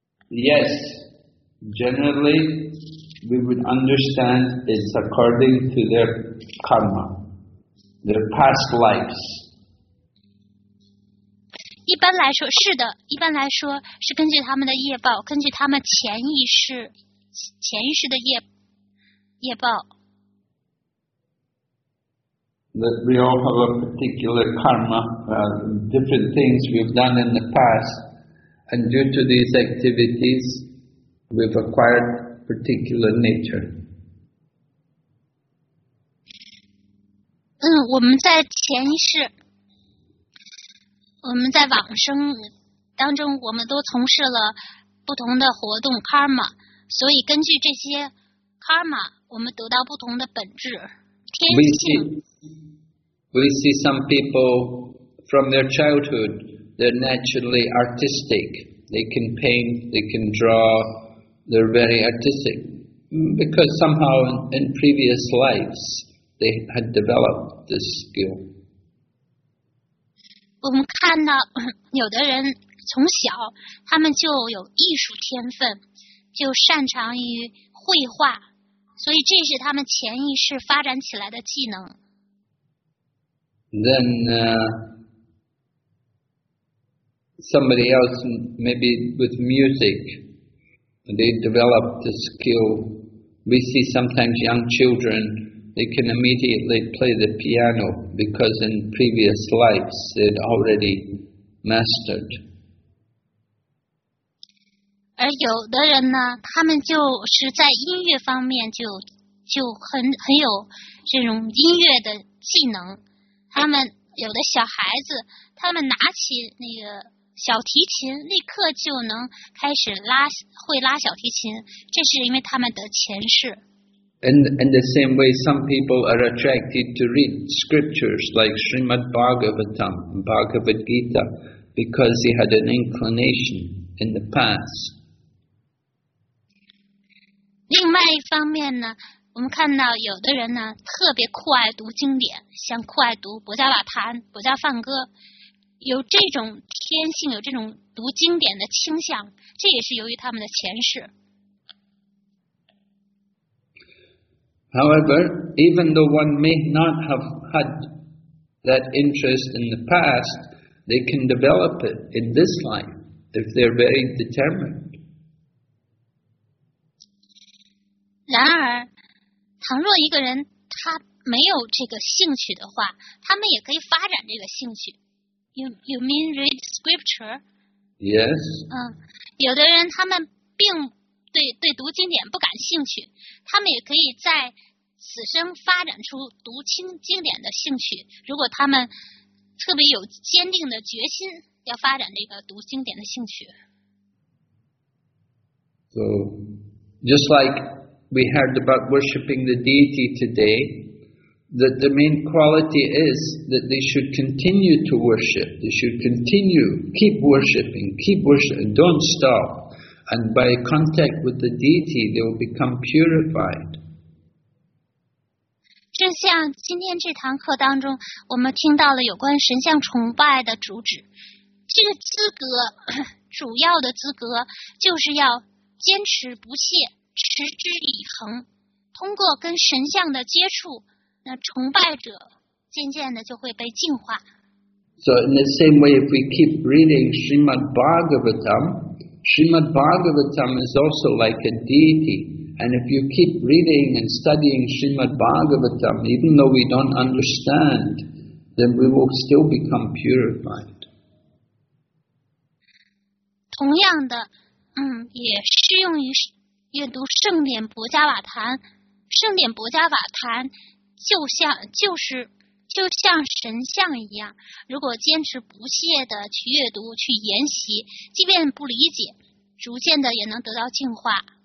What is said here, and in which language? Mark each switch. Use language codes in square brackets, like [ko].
[en] Yes, generally we would understand it's according to their karma, their past lives. [zh] 一般来说是的，一般来说是根据他们的业报，根据他们前一世的业报。 [en] That we all have a particular karma, different things we've done in the past, and due to these activities, we've acquired particular nature. [zh] 我们在前一世，我们在往生当中，我们都从事了不同的活动 karma， 所以根据这些 karma， 我们得到不同的本质天性。 [en] We see some people from their childhood, they're naturally artistic. They can paint, they can draw, they're very artistic. Because somehow in previous lives, they had developed this skill. [zh] 我们看到有的人从小他们就有艺术天分，就擅长于绘画，所以这是他们潜意识发展起来的技能。 [en] Then somebody else, maybe with music, they develop the skill. We see sometimes young children, they can immediately play the piano because in previous lives they'd already mastered. [zh] 而有的人呢，他们就是在音乐方面就很有这种音乐的技能。他们有的小孩子，他们拿起那个小提琴，立刻就能开始会拉小提琴，这是因为他们的前世。 [en] In the same way, some people are attracted to read scriptures like Srimad Bhagavatam, Bhagavad Gita, because he had an inclination in the past. [zh] 另外一方面呢？我们看到有的人呢特别酷爱读经典，像酷爱读博伽瓦坛、博伽梵歌，有这种天性，有这种读经典的倾向，这也是由于他们的前世。 [en] However, even though one may not have had that interest in the past, they can develop it in this life if they're very determined. [zh] 然而倘若一个人他没有这个兴趣的话，他们也可以发展这个兴趣。 [en] You mean read scripture? Yes. [zh] 有的人他们并对读经典不感兴趣，他们也可以在此生发展出读清经典的兴趣。如果他们特别有坚定的决心要发展这个读经典的兴趣。 [en] So, just like we heard about worshipping the deity today, that the main quality is that they should continue to worship. They should continue, keep worshipping, don't stop. And by contact with the deity, they will become purified. [zh] 正像今天这堂课当中，我们听到了有关神像崇拜的主旨。这个资格，主要的资格，就是要坚持不懈。持之以恒，通过跟神像的接触，那崇拜者渐渐的就会被净化。 [en] So in the same way, if we keep reading Srimad Bhagavatam, Srimad Bhagavatam is also like a deity. And if you keep reading and studying Srimad Bhagavatam, even though we don't understand, then we will still become purified. [zh] 同样的，也适用于阅读圣典《博伽瓦坛》，圣殿博加瓦坛就像神像一样，如果坚持不懈地去阅读、去研习，即便不理解，逐渐的也能得到净化。